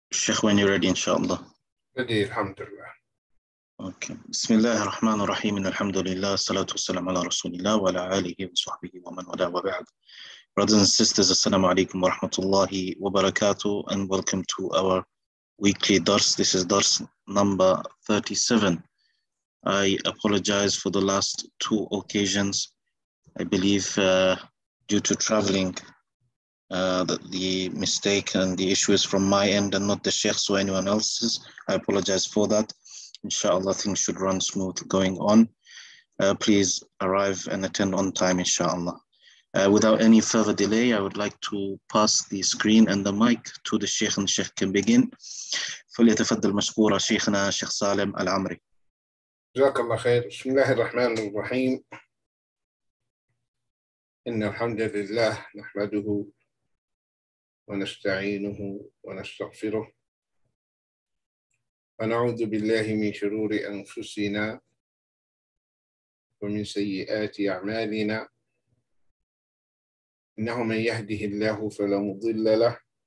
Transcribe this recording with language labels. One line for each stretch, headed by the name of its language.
Arabic: إخواني
English: ready
Arabic: إن شاء الله. بدي الحمد لله. أوكي. بسم الله الرحمن الرحيم. الحمد لله والصلاة والسلام على رسول الله وعلى آله وصحبه ومن ولا وبعد.
English: Brothers and sisters,
Arabic: السلام عليكم ورحمة الله وبركاته
English: and welcome to our weekly درس. This is درس number 37. I apologize for the last two occasions. I believe due to traveling, the mistake and the issue is from my end and not the Sheikh's or anyone else's. I apologize for that. Inshallah, things should run smooth going on. Please arrive and attend on time, inshallah. Without any further delay, I would like to pass the screen and the mic to the Sheikh, and the Sheikh can begin.
Arabic: فليتفضل مشكورا شيخنا شيخ سالم العمري. جزاك الله خير. بسم الله الرحمن الرحيم. إن الحمد لله نحمده ونستعينه ونستغفره ونعوذ بالله من شرور أنفسنا ومن سيئات أعمالنا إنه من يهده الله فلا مضل له